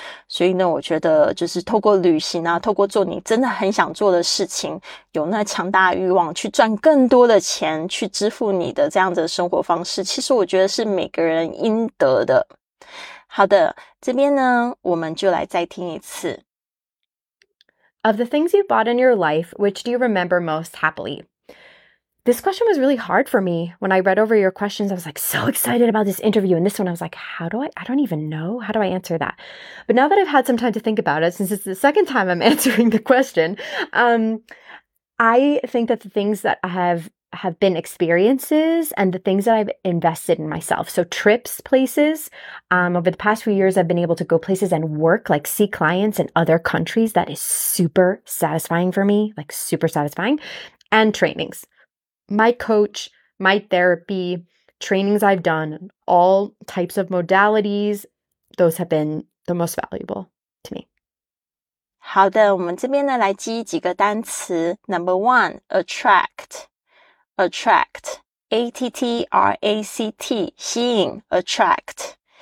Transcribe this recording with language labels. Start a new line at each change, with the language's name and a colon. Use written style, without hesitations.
Chinese: 所以呢我觉得就是透过旅行啊，透过做你真的很想做的事情，有那强大欲望去赚更多的钱去支付你的这样子的生活方式，其实我觉得是每个人应得的。好的，这边呢我们就来再听一次。
English: Of the things you bought in your life, which do you remember most happily? This question was really hard for me. When I read over your questions, I was like so excited about this interview, and this one I was like, how do I answer that? But now that I've had some time to think about it, since it's the second time I'm answering the question, I think that the things that I have been experiences and the things that I've invested in myself. So trips, places, over the past few years, I've been able to go places and work, like see clients in other countries. That is super satisfying for me, like super satisfying. And trainings, my coach, my therapy, trainings I've done, all types of modalities, those have been the most valuable to me.
Chinese: 好的，我们这边呢来记忆几个单词。
English: Number one, attract, attract, attract, 吸引 attract.